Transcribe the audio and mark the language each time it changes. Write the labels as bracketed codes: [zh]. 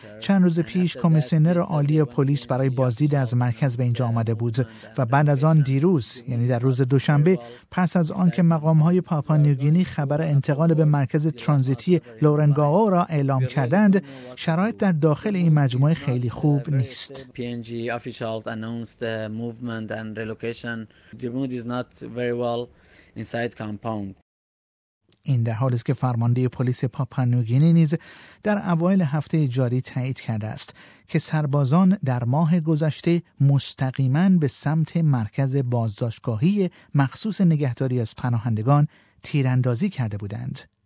[fa] چند روز پیش کمیسیونر عالی پلیس برای بازدید از مرکز به اینجا آمده بود و بعد از آن دیروز، یعنی در روز دوشنبه، پس از آن که مقام‌های پاپا نیوگینی خبر انتقال به مرکز ترانزیتی لورنگاو را اعلام کردند، شرایط در داخل این مجموعه خیلی خوب نیست. [en] PNG officials announced the movement and relocation. The mood is not very well inside compound. [fa] این در حالی است که فرمانده پلیس پاپا نیوگینی نیز در اوایل هفته جاری تایید کرده است که سربازان در ماه گذشته مستقیماً به سمت مرکز بازداشتگاهی مخصوص نگهداری از پناهندگان تیراندازی کرده بودند.